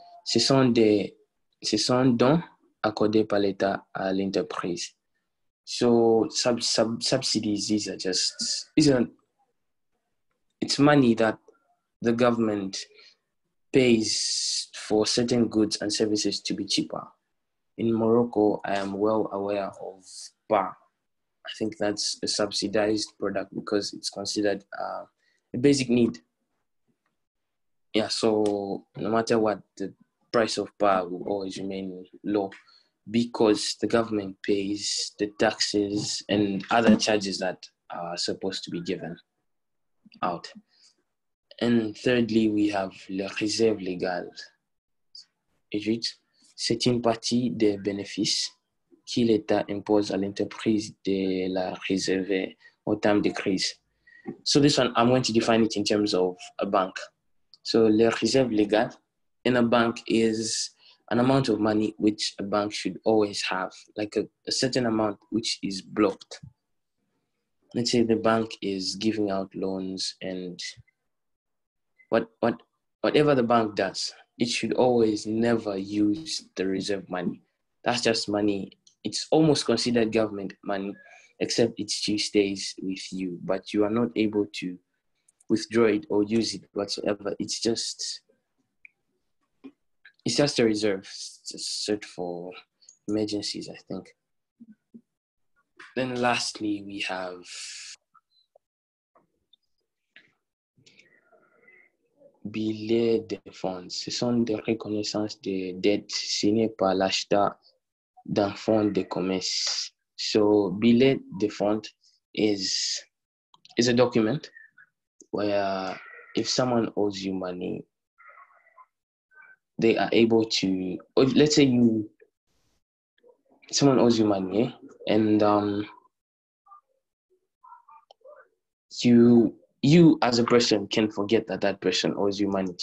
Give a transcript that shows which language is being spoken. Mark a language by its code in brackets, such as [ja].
[fr] Ce sont dons accordés par l'État à l'entreprise. [en] So subsidies, it's money that the government pays for certain goods and services to be cheaper. In Morocco, I am well aware of bar. I think that's a subsidized product because it's considered a basic need. Yeah, so no matter what, the price of bar will always remain low because the government pays the taxes and other charges that are supposed to be given out. And thirdly, we have le réserve légale. It reads, [fr] c'est une partie des bénéfices que l'État impose à l'entreprise de la réserver au temps de crise. [en] So this one, I'm going to define it in terms of a bank. So le réserve légale in a bank is an amount of money which a bank should always have, like a certain amount which is blocked. Let's say the bank is giving out loans and whatever the bank does, it should always never use the reserve money. That's just money. It's almost considered government money, except it still stays with you, but you are not able to withdraw it or use it whatsoever. It's just a reserve. It's just set for emergencies, I think. Then lastly, we have billets de fonds. [fr] Ce sont des reconnaissances de dettes signées par l'acheteur d'un fonds de commerce. [en] So, billet de fonds is a document where if someone owes you money, they are able to, let's say someone owes you money, and you as a person can forget that person owes you money.